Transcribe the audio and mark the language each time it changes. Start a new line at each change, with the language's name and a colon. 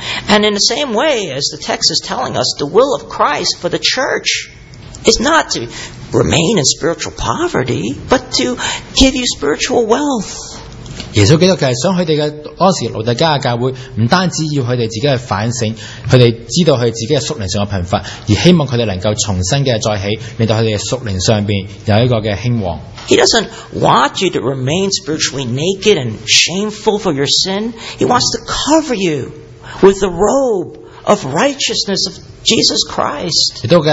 English: And in the same way as the text is telling us, the will of Christ for the church is not to remain in spiritual poverty, but to give you spiritual wealth.
Chinese: 耶稣基督其实想他们当时路德加的教会，不单止要他们自己去反省，他们知道他们自己在属灵上的贫乏，而希望他们能够重新的再起，令到他们属灵上面有一个兴旺。
English: He doesn't want you to remain spiritually naked and shameful for your sin. He wants to cover you with the robe of righteousness of Jesus Christ.